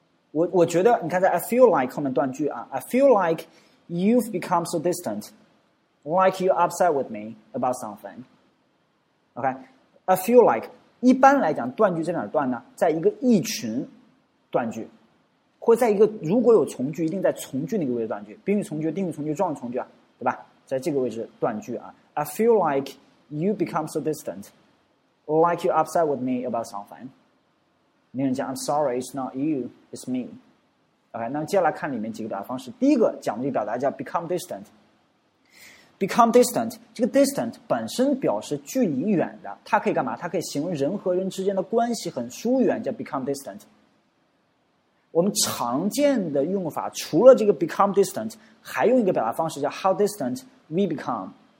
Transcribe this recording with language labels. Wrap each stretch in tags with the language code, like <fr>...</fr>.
<zh>我觉得你看在</zh> <en>I feel like</en> <zh>后面断句啊</zh> <en>，I feel like you've become so distant, like you're upset with me about something。 OK, I feel like。</en> <zh>一般来讲断句在哪断呢？在一个一群断句，或在一个如果有从句一定在从句那个位置断句，宾语从句、定语从句、状语从句啊，对吧？在这个位置断句啊。</zh> <en>I feel like you become so distant, like you're upset with me about something。</en> <zh>那人讲</zh> <en>I'm sorry, it's not you, it's me。</en> <zh>OK, 那接下来看里面几个表达方式。第一个讲的一个表达叫 become distant。Become distant, 这个 distant 本身表示距离远的，它可以干嘛？它可以形容人和人之间的关系很疏远，叫 become distant。我们常见的用法除了这个 become distant 还用一个表达方式叫</zh> <en>how distant we become。</en>